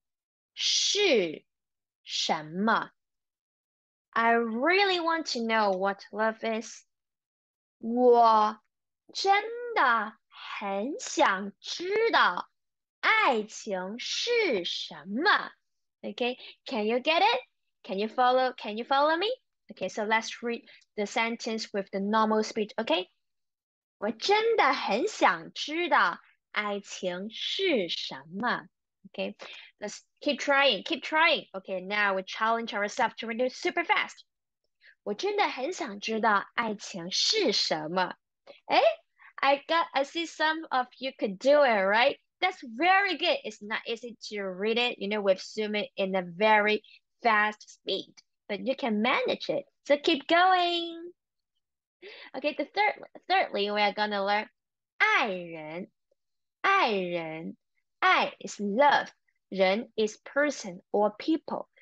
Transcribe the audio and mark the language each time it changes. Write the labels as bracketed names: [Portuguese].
[Chinese] 我真的很想知道爱情是什么。 [English] I really want to know what love is. [Chinese] 我真的很想知道爱情是什么。 [English] Okay, can you get it? Can you follow me? Okay, so let's read the sentence with the normal speed, okay? [Chinese] 我真的很想知道爱情是什么。 [English] Okay, let's keep trying, keep trying. Okay, now we challenge ourselves to read it super fast. [Chinese] 我真的很想知道爱情是什么。诶? [English] I got, I see some of you could do it, right? That's very good. It's not easy to read it, you know, with Sumie in a very fast speed, but you can manage it. So keep going. Okay, the thirdly, we are gonna learn 爱人。爱人, 爱 is love, 人 is person or people.